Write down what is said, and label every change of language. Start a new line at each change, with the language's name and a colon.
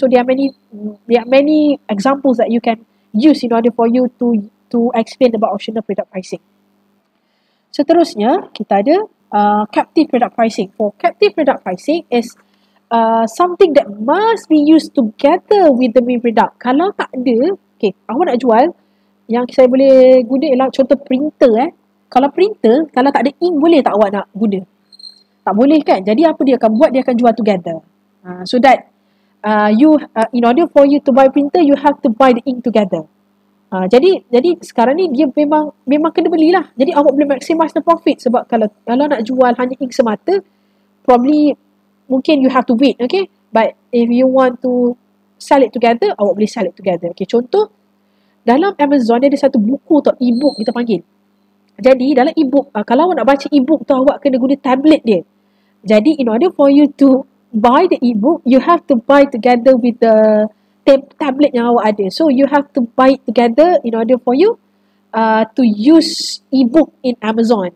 English: So there are many examples that you can use in order for you to explain about optional product pricing.
Malay: Seterusnya kita ada captive product pricing.
English: For captive product pricing is something that must be used together with the main product.
Malay: Kalau tak ada, okay, awak nak jual, yang saya boleh guna ialah contoh printer. Kalau printer, kalau tak ada ink, boleh tak awak nak guna? Tak boleh kan? Jadi apa dia akan buat, dia akan jual together.
English: So that in order for you to buy printer, you have to buy the ink together.
Malay: Jadi sekarang ni dia memang kena belilah. Jadi awak boleh
English: maximize the profit,
Malay: sebab kalau nak jual hanya ink semata, probably mungkin
English: you have to wait,
Malay: okay?
English: But if you want to sell it together,
Malay: awak boleh
English: sell it together.
Malay: Okay, contoh, dalam Amazon dia ada satu buku atau e-book kita panggil. Jadi dalam e-book, kalau awak nak baca e-book tu, awak kena guna tablet dia.
English: Jadi in order for you to buy the e-book, you have to buy together with the tablet
Malay: yang awak ada.
English: So you have to buy it together in order for you to use e-book in Amazon.